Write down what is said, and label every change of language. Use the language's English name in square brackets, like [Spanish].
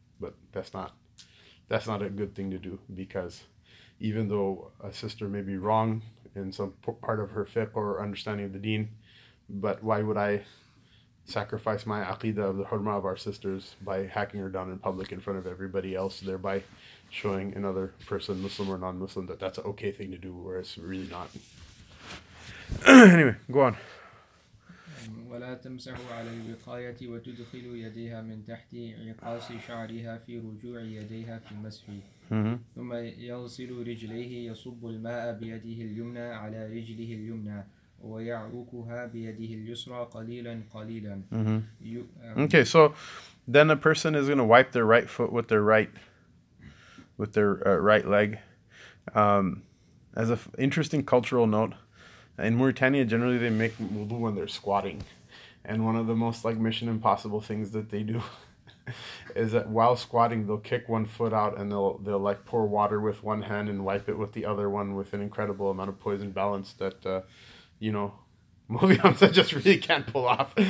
[English] But that's not a good thing to do, because even though a sister may be wrong in some part of her fiqh or understanding of the deen, but why would I sacrifice my aqidah of the hurma of our sisters by hacking her down in public in front of everybody else, thereby showing another person, Muslim or non-Muslim, that that's an okay thing to do, whereas it's really not. Anyway, go on. [Arabic] ولا تمسح على الوقاية وتدخل يديها من تحت عقاص شعرها في رجوع يديها في المسح ثم يغسل رجليه يصب الماء بيده اليمنى على رجله اليمنى ويعوقها بيده اليسرى قليلا قليلا. [English] Okay, so then a person is going to wipe their right foot with their right right leg. As a interesting cultural note, in Mauritania generally they make wudu when they're squatting. And one of the most, like, Mission Impossible things that they do is that while squatting, they'll kick one foot out and they'll like pour water with one hand and wipe it with the other one with an incredible amount of poison balance that, you know, movie ones I just really can't pull off.